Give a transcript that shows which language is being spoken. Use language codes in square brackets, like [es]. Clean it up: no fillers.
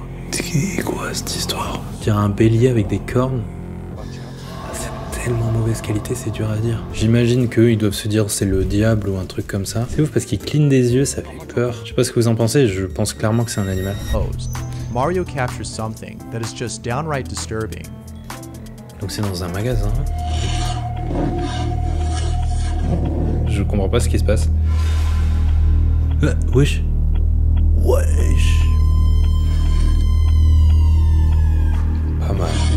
[fr] C'est quoi cette histoire? On dirait un bélier avec des cornes. Ah, c'est tellement mauvaise qualité, c'est dur à dire. J'imagine qu'eux, ils doivent se dire c'est le diable ou un truc comme ça. C'est ouf parce qu'ils clignent des yeux, ça fait peur. Je sais pas ce que vous en pensez, je pense clairement que c'est un animal. [en] Mario captures something that is just downright disturbing. [fr] Donc c'est dans un magasin. Je comprends pas ce qui se passe. Wesh. Wesh. Pas mal.